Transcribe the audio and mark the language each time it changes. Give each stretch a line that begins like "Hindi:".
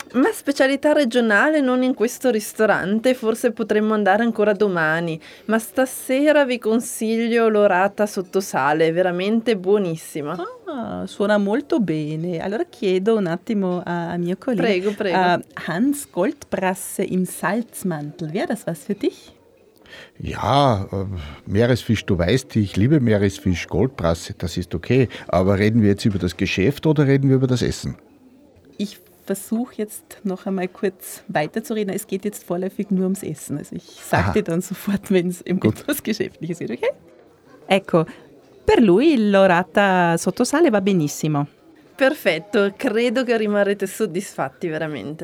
Italian: Ma specialità regionale non in questo ristorante, forse potremmo andare ancora domani, ma stasera vi consiglio l'orata sotto sale, è veramente buonissima. Suona molto bene, allora chiedo un attimo a mio collega. Prego, prego.
German: Hans Goldbrasse im Salzmantel, wäre das was für dich? Ja, Meeresfisch, du weißt, ich liebe Meeresfisch, Goldbrasse, das ist okay, aber reden wir jetzt über das Geschäft oder reden wir über das Essen? Ich versuche jetzt noch einmal kurz weiterzureden. Es geht jetzt vorläufig nur ums Essen. Also ich sage dir dann sofort, wenn es etwas Geschäftliches ist, okay?
Italian: Ecco, per lui l'orata sottosale va benissimo. Perfetto, credo che rimarrete soddisfatti veramente.